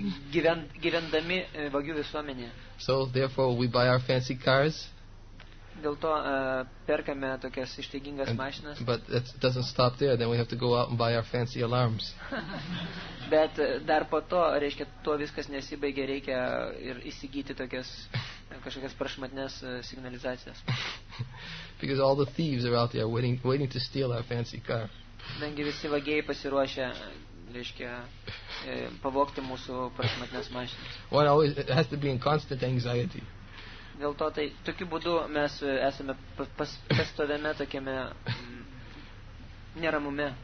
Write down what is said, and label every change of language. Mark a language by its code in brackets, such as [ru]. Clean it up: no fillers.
[lt] Gyvendami vagių visuomenėje. [en] So therefore we buy our fancy cars. [lt] Dėl to perkame tokias ištaigingas mašinas. [en] But it doesn't stop there, then we have to go out and buy our fancy alarms. [lt] Bet dar po to, reiškia, to viskas nesibaigia, reikia ir įsigyti tokias kažkokias prašmatnes signalizacijas. [en] Because all the thieves are out there waiting to steal our fancy car. [lt] Dangi visi vagiai pasiruošę, reiškia, pavogti mūsų prašmatnes mašinas. [en] One always has to be in constant anxiety. [lt] Dėl to tai tokiu būdu mes esame pastoviame tokiame neramume.